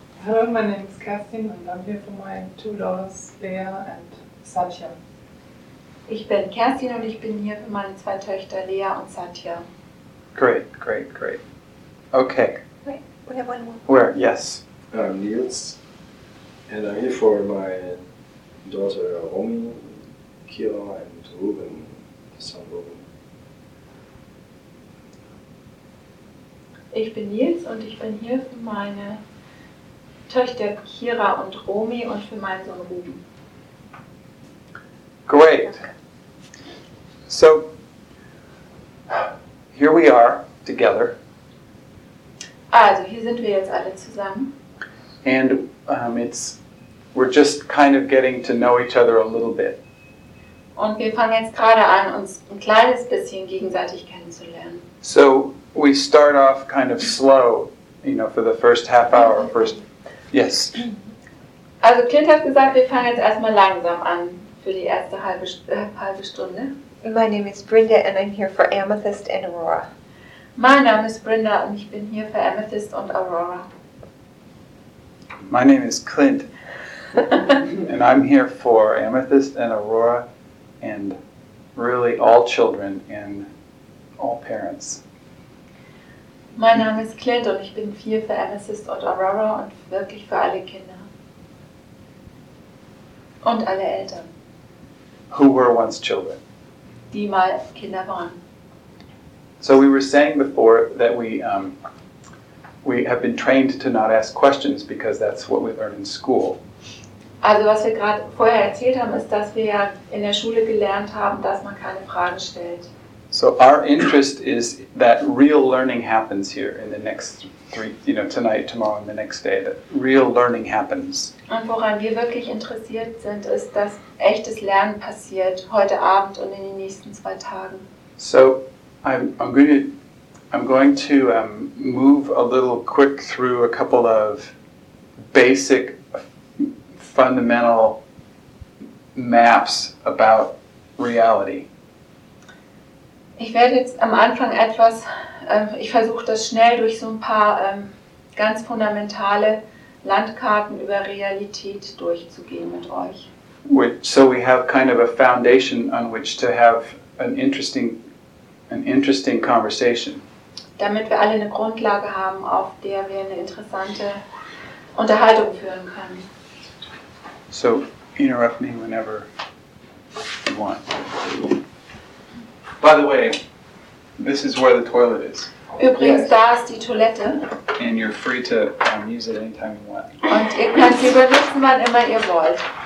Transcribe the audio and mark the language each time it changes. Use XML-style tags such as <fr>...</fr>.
<en>Hello, my name is Kerstin and I'm here for my two daughters, Lea and Satya.</en> <de>Ich bin Kerstin und ich bin hier für meine zwei Töchter, Lea und Satya.</de> <en>Great, great, great. Okay. Wait, we have one more. Where? Yes. I'm Niels, and I'm here for my daughter Romy, Kira, and Ruben, son Ruben. Ich bin Niels, und ich bin hier für meine Töchter Kira und Romy und für meinen Sohn Ruben. Great. So, here we are together.</en> <de>Also, hier sind wir jetzt alle zusammen.</de> <en>And we're just kind of getting to know each other a little bit.</en> <de>Und wir fangen jetzt gerade an, uns ein kleines bisschen gegenseitig kennenzulernen.</de> <en>So, we start off kind of slow, you know, for the first half hour, first, yes.</en> <de>Also, Clint hat gesagt, wir fangen jetzt erstmal langsam an, für die erste halbe Stunde.</de> <en>My name is Brenda and I'm here for Amethyst and Aurora.</en> <de>Mein Name ist Brenda und ich bin hier für Amethyst und Aurora.</de> <en>My name is Clint and I'm here for Amethyst and Aurora and really all children and all parents.</en> <de>Mein Name ist Clint und ich bin hier für Amethyst und Aurora und wirklich für alle Kinder und alle Eltern.</de> <en>Who were once children?</en> <de>Die mal Kinder waren.</de> <en>So we were saying before that we have been trained to not ask questions because that's what we learn in school.</en> <de>Also was wir gerade vorher erzählt haben, ist, dass wir ja in der Schule gelernt haben, dass man keine Fragen stellt.</de> <en>So our interest is that real learning happens here in the next three, you know, tonight, tomorrow and the next day, that real learning happens.</en> <de>Und woran wir wirklich interessiert sind, ist, dass echtes Lernen passiert heute Abend und in den nächsten zwei Tagen.</de> <en>So I'm going to move a little quick through a couple of basic fundamental maps about reality.</en> <de>Ich werde jetzt am Anfang etwas, ich versuche das schnell durch so ein paar ganz fundamentale Landkarten über Realität durchzugehen mit euch.</de> <en>So we have kind of a foundation on which to have an interesting conversation.</en> <de>Damit wir alle eine Grundlage haben, auf der wir eine interessante Unterhaltung führen können.</de> <en>So, interrupt me whenever you want. By the way, this is where the toilet is.</en> <de>Übrigens, yes. Da ist die Toilette.</de> <en>And you're free to use it anytime you want.</en> <de>Und ihr könnt sie benutzen, wann immer ihr wollt.</de>